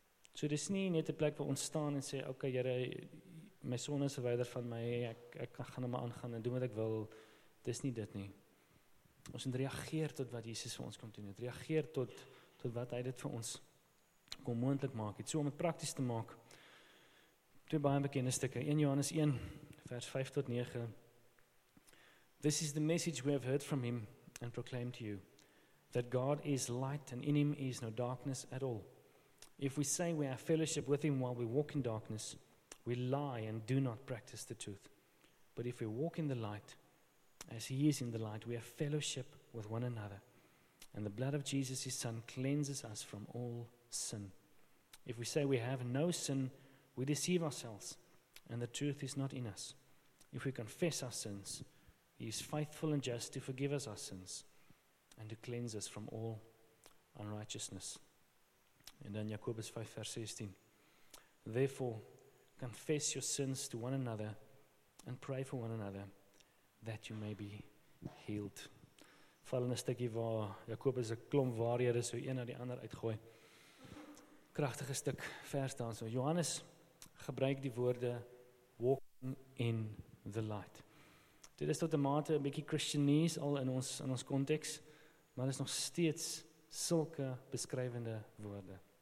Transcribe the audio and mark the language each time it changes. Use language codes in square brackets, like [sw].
[af] So dis nie net 'n plek waar ons staan en sê, oké, Here, my sonde is verwyder van my, ek gaan nou maar aangaan en doen wat ek wil. Dis nie dit nie. Ons moet reageer tot wat Jesus vir ons kom doen het. Reageer tot wat hy dit vir ons kom moontlik maak het. So om het prakties te maak, twee baie bekende stukke, 1 Johannes 1, vers 5 tot 9. [en] This is the message we have heard from him and proclaimed to you, that God is light and in him is no darkness at all. If we say we have fellowship with him while we walk in darkness, we lie and do not practice the truth. But if we walk in the light, as he is in the light, we have fellowship with one another. And the blood of Jesus, his son, cleanses us from all sin. If we say we have no sin, we deceive ourselves and the truth is not in us. If we confess our sins, he is faithful and just to forgive us our sins and to cleanse us from all unrighteousness. And then Jacobus 5, verse 16. Therefore, confess your sins to one another and pray for one another that you may be healed. [af] Val in 'n stukkie waar Jacobus 'n klomp waarhede so een na die ander uitgooi. Kragtige stuk vers daar so. Johannes gebruik die woorde [en] walking in the light. [af] Dit is tot 'n mate 'n bietjie Christianese al in ons konteks, maar is nog steeds sulke beskrywende woorde.